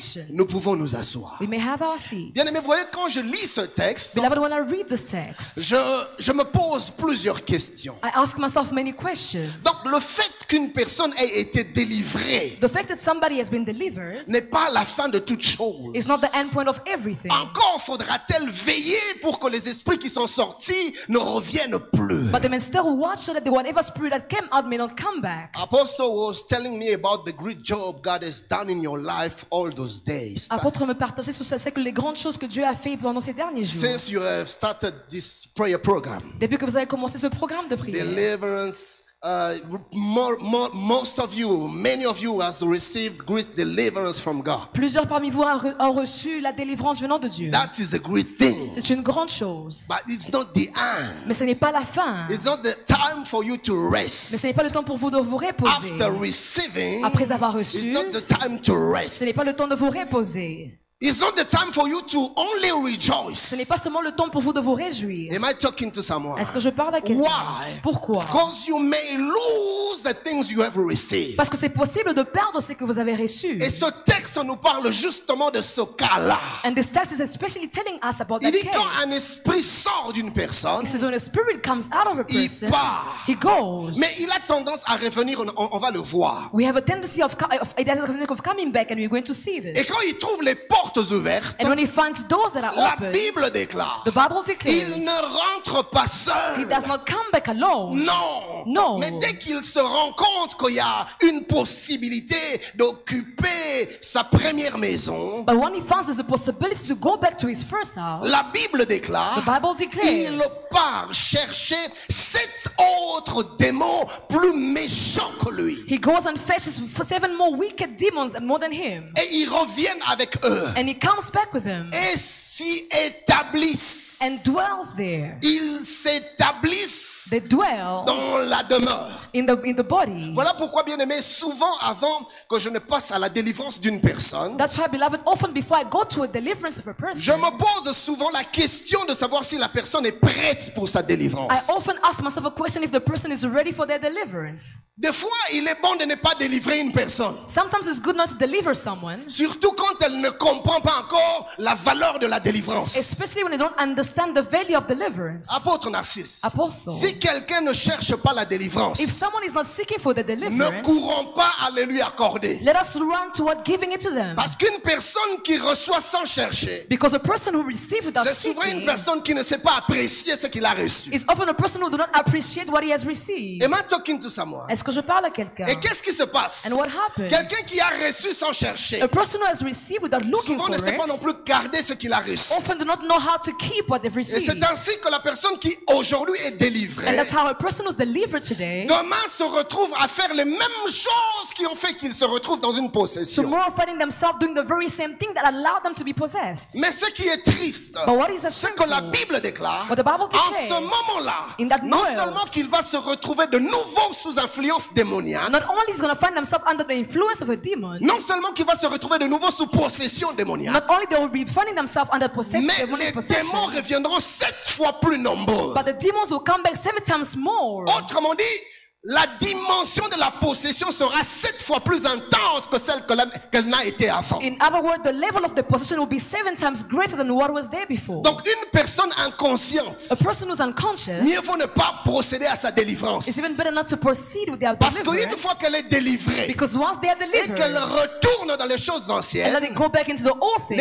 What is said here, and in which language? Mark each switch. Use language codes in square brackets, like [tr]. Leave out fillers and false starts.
[fr] Nous pouvons nous asseoir. Bien-aimés, voyez, quand je lis ce texte, je me pose plusieurs questions. [en] I ask myself many questions. [fr] Donc, le fait qu'une personne ait été délivrée, [en] the fact that somebody has been delivered, [fr] n'est pas la fin de toute chose. [en] It's not the end point of everything. [fr] Encore faudra-t-elle veiller pour que les esprits qui sont sortis ne reviennent plus. [en] But they may still watch so that the whatever spirit that came out may not come back. Apostle was telling me about the great job God has done in your life all those days. [fr] Apôtre me partageait sur ce que les grandes choses que Dieu a fait pendant ces derniers jours. [en] Since you have started this prayer program. [fr] Depuis que vous avez commencé ce programme de prière. [en] Deliverance. Most of you, many of you, has received great deliverance from God. [fr] Plusieurs parmi vous ont reçu la délivrance venant de Dieu. [en] That is a great thing. [fr] C'est une grande chose. [en] But it's not the end. [fr] Mais ce n'est pas la fin. [en] It's not the time for you to rest. [fr] Mais ce n'est pas le temps pour vous de vous reposer. [en] After receiving, [fr] après avoir reçu, [en] it's not the time to rest. [fr] Ce n'est pas le temps de vous reposer. [en] It's not the time for you to only rejoice. [fr] Ce n'est pas seulement le temps pour vous de vous réjouir. [en] Am I talking to someone? [fr] Est-ce que je parle à quelqu'un? [en] Why? [fr] Pourquoi? [en] Because you may lose the things you have received. [fr] Parce que c'est possible de perdre ce que vous avez reçu. Et ce texte nous parle justement de ce cas-là. [en] And this text is especially telling us about that case. Il [fr] quand un esprit sort d'une personne, [en] it says when a spirit comes out of a person, [fr] il part. [en] He goes. [fr] Mais il a tendance à revenir. On va le voir. [en] We have a tendency of coming back, and we're going to see this. [fr] Et quand il trouve les portes ouvertes, [en] and when he finds doors that are [fr] la [en] open, [fr] Bible déclare, [en] the Bible declares, [fr] il ne rentre pas seul. [en] He does not come back alone. [fr] Non. [en] No. [fr] Mais dès qu'il se rend compte qu'il y a une possibilité d'occuper sa première maison, [en] but when he finds there's a possibility to go back to his first house, [fr] la Bible déclare, [en] the Bible declares, [fr] il part chercher sept autres démons plus méchants que lui. [en] He goes and fetches seven more wicked demons more than him. [fr] Et ils reviennent avec eux. [en] And he comes back with them. [fr] Et s'y établissent. [en] And dwells there. [fr] Ils s'établissent. [en] They dwell [fr] dans la demeure. [en] In the body. [fr] Voilà pourquoi, bien aimé, souvent avant que je ne passe à la délivrance d'une personne, [en] that's why, beloved, often before I go to a deliverance of a person, [fr] je me pose souvent la question de savoir si la personne est prête pour sa délivrance. [en] I often ask myself a question if the person is ready for their deliverance. [fr] Des fois, il est bon de ne pas délivrer une personne. [en] Sometimes it's good not to deliver someone. [fr] Surtout quand elle ne comprend pas encore la valeur de la délivrance. [en] Especially when they don't understand the value of deliverance. [fr] Apôtre Narcisse. [en] Apostle. [fr] Si quelqu'un ne cherche pas la délivrance, [en] if someone is not seeking for the deliverance, [fr] ne courons pas à le lui accorder. [en] Let us run toward giving it to them. [fr] Parce qu'une personne qui reçoit sans chercher, [en] because a person who receives without seeking, [fr] c'est souvent une personne qui ne sait pas apprécier ce qu'il a reçu. [en] It's often a person who does not appreciate what he has received. Am I talking to someone? [fr] Est-ce que je parle à quelqu'un? Et qu'est-ce qui se passe? [en] And what happens? [fr] Quelqu'un qui a reçu sans chercher, [en] a person who has received without looking [fr] souvent [en] for it, [fr] souvent ne sait pas non plus garder ce qu'il a reçu. [en] Often do not know how to keep what they've received. [fr] Et c'est ainsi que la personne qui aujourd'hui est délivrée, [en] and that's how a person who's delivered today, [fr] demain se retrouve à faire les mêmes choses qui ont fait qu'il se retrouve dans une possession. [en] Tomorrow finding themselves doing the very same thing that allowed them to be possessed. [fr] Mais ce qui est triste, [en] but what is a shame, [fr] c'est que la Bible déclare, [en] but the Bible declares, [fr] en ce moment-là, [en] in that [fr] non seulement qu'il va se retrouver de nouveau sous influence démoniaque, [en] not only is going to find themselves under the influence of a demon, [fr] non seulement qu'il va se retrouver de nouveau sous possession démoniaque, [en] not only they will be finding themselves under possession, [fr] mais [en] demonic possession, [fr] les démons reviendront sept fois plus nombreux. [en] But the demons will come back seven times more. [fr] Autrement dit, la dimension de la possession sera sept fois plus intense que celle qu'elle n'a été avant. [en] In other words, the level of the possession will be seven times greater than what was there before. [fr] Donc, une personne inconsciente, [en] a person who's unconscious, [fr] mieux vaut ne pas procéder à sa délivrance. [en] It's even better not to proceed with their [fr] parce [en] deliverance. [fr] Parce qu'une fois qu'elle est délivrée, [en] because once they are delivered, [fr] et qu'elle retourne dans les choses anciennes, [en] and then they go back into the old things,